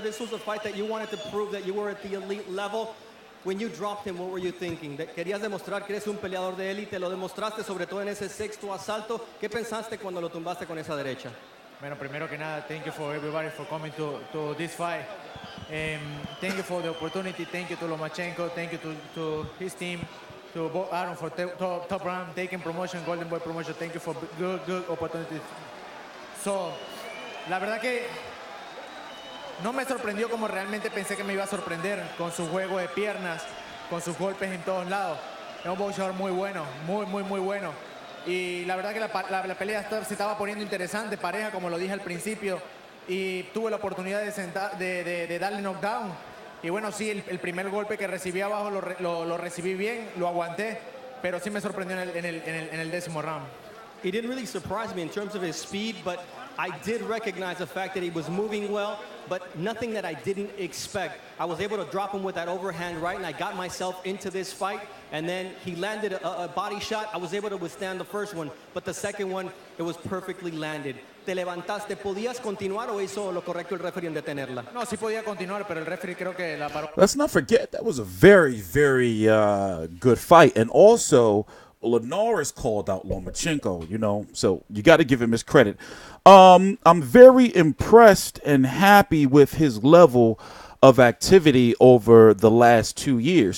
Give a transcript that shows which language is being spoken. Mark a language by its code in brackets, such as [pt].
[en] This was a fight that you wanted to prove that you were at the elite level. When you dropped him, what were you thinking? [es] Querías demostrar que eres un peleador de élite. Lo demostraste, sobre todo en ese sexto asalto. ¿Qué pensaste cuando lo tumbaste con esa derecha? Bueno, primero que nada, [en] thank you for everybody for coming to this fight. Thank you for the opportunity. Thank you to Lomachenko. Thank you to his team, to Bo Aaron for top round taking promotion, Golden Boy promotion. Thank you for good opportunities. [es] So, la verdad que no me sorprendió como realmente pensé que me iba a sorprender con su juego de piernas, con sus golpes en todos lados. Es un boxeador muy bueno, muy, muy, muy bueno. Y la verdad que la pelea se estaba poniendo interesante, pareja, como lo dije al principio. Y tuve la oportunidad de darle knockdown. Y bueno, sí, el primer golpe que recibí abajo lo recibí bien, lo aguanté. Pero sí me sorprendió en el décimo round. [en] It didn't really surprise me in terms of his speed, but I did recognize the fact that he was moving well, but nothing that I didn't expect. I was able to drop him with that overhand right, and I got myself into this fight, and then he landed a body shot. I was able to withstand the first one, but the second one, it was perfectly landed. [es] ¿Te levantaste? ¿Podías continuar o hizo lo correcto el referee en detenerla? No, sí podía continuar, pero el referee creo que la paró. [en] Let's not forget, that was a very, very good fight, and also, Linares called out Lomachenko, you know, so you got to give him his credit. I'm very impressed and happy with his level of activity over the last 2 years.